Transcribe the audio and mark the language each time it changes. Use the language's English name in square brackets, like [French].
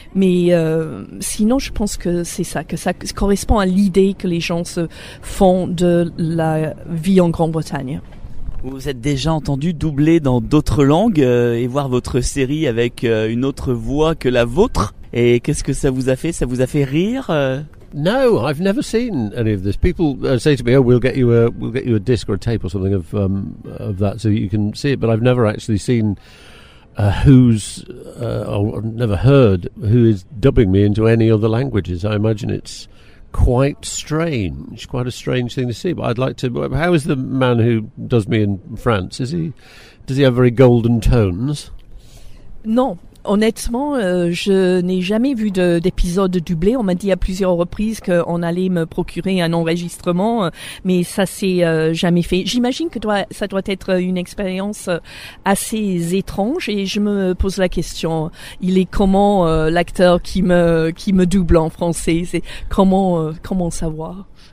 [French] Mais sinon, je pense que c'est ça, que ça correspond à l'idée que les gens se font de la vie en Grande-Bretagne. Vous êtes déjà entendu doubler dans d'autres langues et voir votre série avec une autre voix que la vôtre. Et qu'est-ce que ça vous a fait? Ça vous a fait rire? [English] No, I've never seen any of this. People say to me, "Oh, we'll get you a disc or a tape or something of that, so you can see it." But I've never actually seen never heard who is dubbing me into any other languages. I imagine it's quite a strange thing to see. But I'd like to, how is the man who does me in France, does he have very golden tones? [French] Non, Honnêtement, je n'ai jamais vu d'épisode doublé. On m'a dit à plusieurs reprises qu'on allait me procurer un enregistrement, mais ça s'est jamais fait. J'imagine que ça doit être une expérience assez étrange et je me pose la question, il est comment l'acteur qui me double en français, c'est comment savoir?